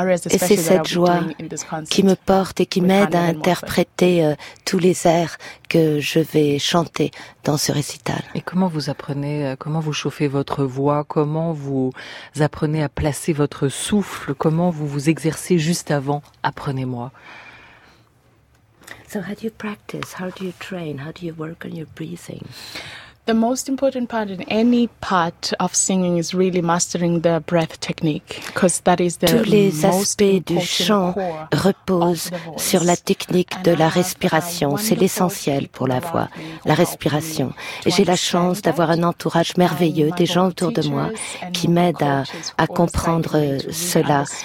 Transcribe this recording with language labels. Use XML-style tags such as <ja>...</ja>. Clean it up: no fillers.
<fr>Et c'est cette joie qui me porte et qui m'aide à interpréter tous les airs que je vais chanter dans ce récital. Et comment vous apprenez, comment vous chauffez votre voix, comment vous apprenez à placer votre souffle, comment vous vous exercez juste avant, apprenez-moi.</fr> <en>So how do you practice, how do you train, how do you work on your breathing? The most important part in any part of singing is really mastering the breath technique, because that is the</en> <fr>tous les aspects du chant reposent sur la technique de la respiration. C'est l'essentiel pour la voix, la respiration. Et j'ai la chance d'avoir un entourage merveilleux, des gens autour de moi qui m'aident à comprendre cela.</fr>